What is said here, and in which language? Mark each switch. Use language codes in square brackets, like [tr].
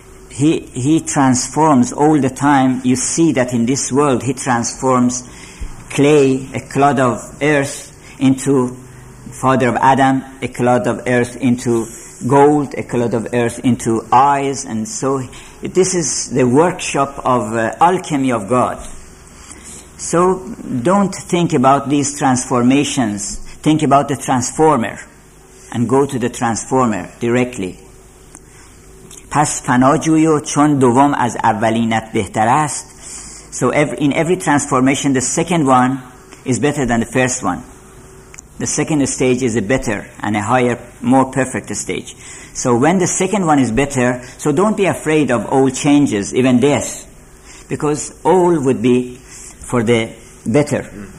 [en] He transforms all the time. You see that in this world he transforms clay, a clod of earth, into father of Adam, a clod of earth into gold, a clod of earth into eyes. And so this is the workshop of alchemy of God. So don't think about these transformations. Think about the transformer and go to the transformer directly. [fa] پس فناجوی و چون دوم از اولینت بهتر است. [en] So in every transformation, the second one is better than the first one. The second stage is a better and a higher, more perfect stage. So when the second one is better, so don't be afraid of all changes, even death, because all would be for the better.